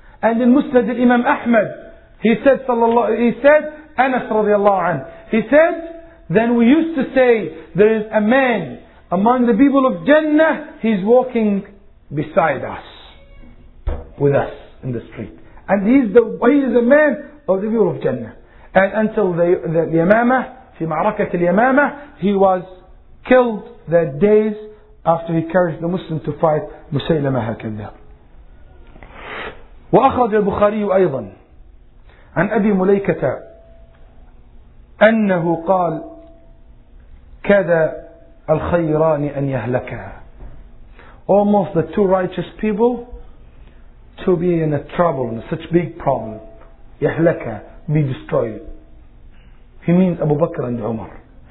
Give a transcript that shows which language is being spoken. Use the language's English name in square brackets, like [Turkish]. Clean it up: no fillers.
[English] And in Musnad Imam Ahmad, he said, Anas radiallahu anhu, he said, then we used to say, there is a man among the people of Jannah, he's walking beside us, with us in the street. And he is a man of the people of Jannah. And until the Yamamah, [Arabic] في معركة اليمامة, [English] he was killed that days after he carried the Muslim to fight مسيلمة هكذا. [Arabic] وأخرج البخاري أيضا عن أبي مليكة أنه قال كاد الخيران أن يهلكا. [English] Almost the two righteous people to be in a trouble, in such big problem. يهلكا, be destroyed. He means Abu Bakr and Umar.